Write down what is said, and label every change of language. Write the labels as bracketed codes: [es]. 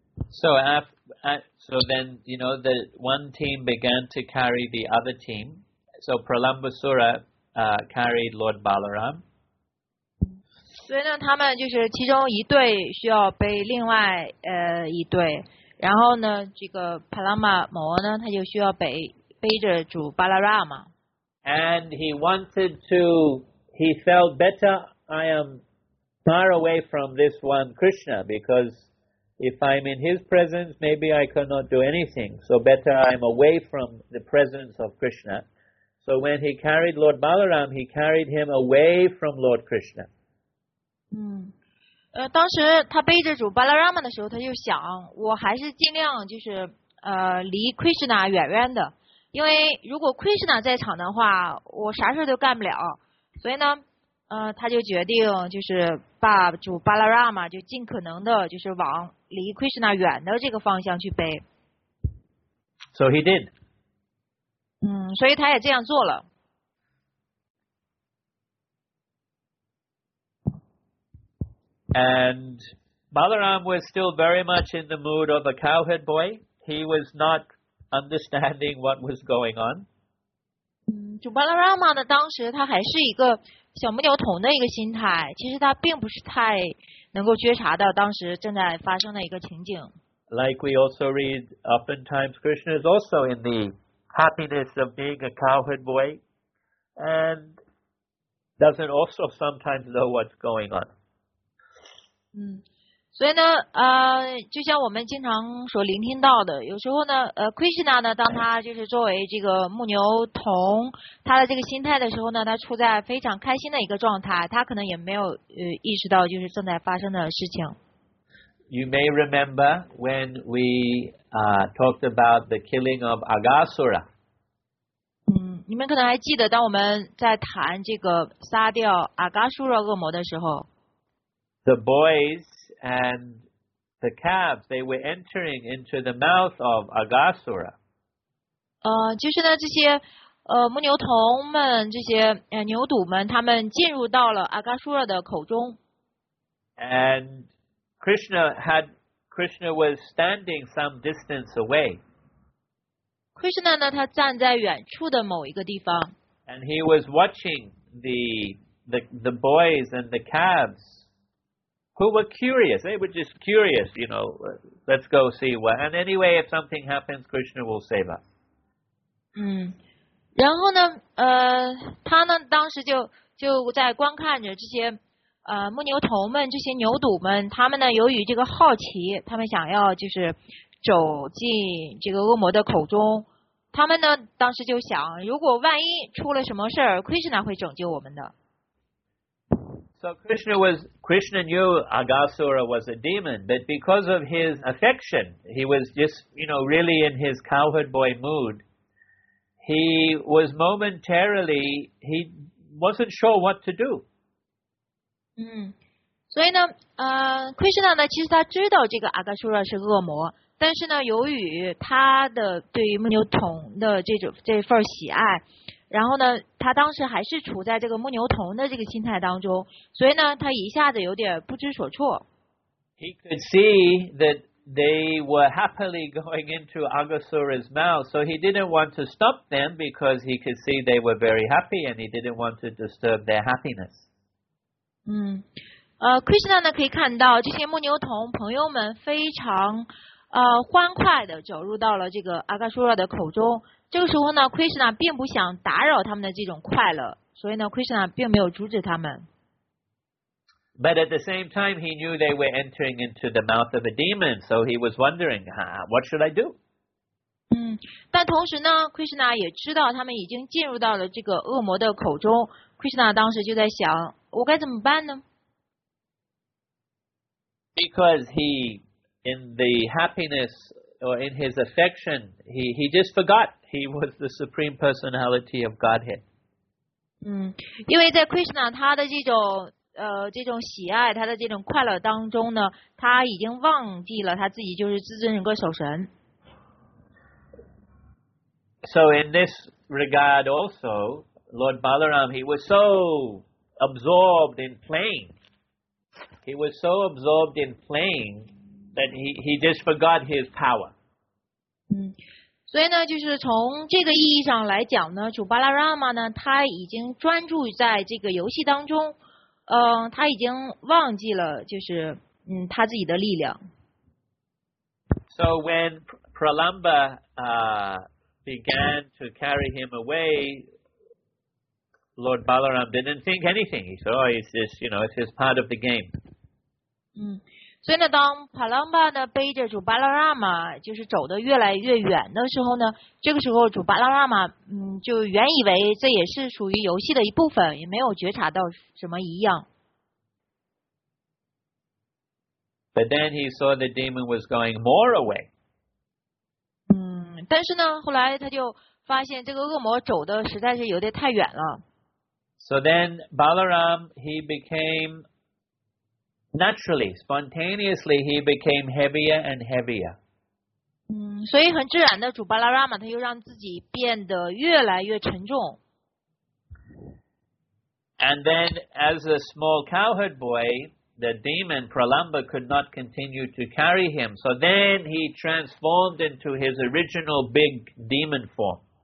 [en] So then, you know, the one team began to carry the other team. So Pralambasura carried Lord Balaram. [zh] 所以呢，他们就是其中一队需要背另外一队，然后呢，这个帕拉玛摩呢，他就需要背着主巴拉拉嘛。 [en] And he wanted to. He felt better. I am far away from this one Krishna because. If I'm in his presence, maybe I cannot do anything. So better I'm away from the presence of Krishna. So when he carried Lord Balaram, he carried him away from Lord Krishna. [zh] 当时他背着主巴拉拉玛的时候，他就想，我还是尽量就是离 Krishna 远远的，因为如果 Krishna 在场的话，我啥事都干不了。所以呢。他就决定就是把主巴拉拉玛就尽可能的就是往离 Krishna 远的这个方向去背。 [en] So he did. [zh] 所以他也这样做了。 [en] And Balaram was still very much in the mood of a cowherd boy. He was not understanding what was going on. [zh] 主巴拉拉玛呢，当时他还是一个。小牧牛童的一个心态，其实他并不是太能够觉察到当时正在发生的一个情景。 [en] Like we also read, oftentimes Krishna is also in the happiness of being a cowherd boy, and doesn't also sometimes know what's going on. [zh] 所以呢，就像我们经常所聆听到的，有时候呢，Krishna 呢，当他就是作为这个牧牛童，他的这个心态的时候呢，他处在非常开心的一个状态，他可能也没有意识到就是正在发生的事情。 [en] You may remember when we talked about the killing of Agasura. [zh] 你们可能还记得当我们在谈这个杀掉阿嘎苏拉恶魔的时候。 [en] The boys. And the calves, they were entering into the mouth of Agasura. [zh] 就是呢，这些牧牛童们，这些牛犊们，他们进入到了阿嘎苏拉的口中。 [en] And Krishna was standing some distance away. [zh] Krishna 呢，他站在远处的某一个地方。 [en] And he was watching the boys and the calves, who were curious. They were just curious, you know. Let's go see what. And anyway, if something happens, Krishna will save us. [zh] 嗯，然后呢，他呢，当时就在观看着这些。牧牛头们，这些牛犊们，他们呢，由于这个好奇，他们想要就是走进这个恶魔的口中。他们呢，当时就想，如果万一出了什么事儿 ，Krishna 会拯救我们的。 [en] So Krishna knew Agasura was a demon, but because of his affection, he was just, you know, really in his cowherd boy mood. He was momentarily, he wasn't sure what to do. [zh] 嗯，所以呢，Krishna 呢，其实他知道这个阿嘎苏拉是恶魔，但是呢，由于他的对于牧牛童的这份喜爱，然后呢，他当时还是处在这个牧牛童的这个心态当中，所以呢，他一下子有点不知所措。 [en] He could see that they were happily going into Agasura's mouth, so he didn't want to stop them because he could see they were very happy, and he didn't want to disturb their happiness. [zh] Krishna 呢可以看到这些牧牛童朋友们非常欢快的走入到了这个阿嘎苏拉的口中。这个时候呢 ，Krishna 并不想打扰他们的这种快乐，所以呢 ，Krishna 并没有阻止他们。 [en] But at the same time, he knew they were entering into the mouth of a demon, so he was wondering, what should I do? [zh] 但同时呢 ，Krishna 也知道他们已经进入到了这个恶魔的口中。 Krishna 当时就在想。我该怎么办呢 [en] ？Because he, in the happiness or in his affection, he just forgot he was the supreme personality of Godhead. [zh] 因为在 Krishna 他的这种喜爱，他的这种快乐当中呢，他已经忘记了他自己就是至尊人格守神。 [en] So in this regard, also Lord Balaram, he was so absorbed in playing. He was so absorbed in playing that he just forgot his power. [zh] 所以呢，就是从这个意义上来讲呢，主巴拉拉玛呢，他已经专注在这个游戏当中，他已经忘记了就是他自己的力量。 [en] So when Pralamba began to carry him away,Lord Balaram didn't think anything. He said, "Oh, it's just part of the game." [zh] 所以呢，当帕朗巴呢背着主巴拉拉玛就是走得越来越远的时候呢，这个时候主巴拉拉玛就原以为这也是属于游戏的一部分，也没有觉察到什么异样。 [en] But then he saw the demon was going more away. [zh] 但是呢，后来他就发现这个恶魔走的实在是有点太远了。 [en] So then Balaram, he became naturally, spontaneously, he became heavier and heavier. [zh] 所以很自然的主巴拉拉玛他又让自己变得越来越沉重。 [en] And then as a small cowherd boy, the demon Pralamba could not continue to carry him. So then he transformed into his original big demon form.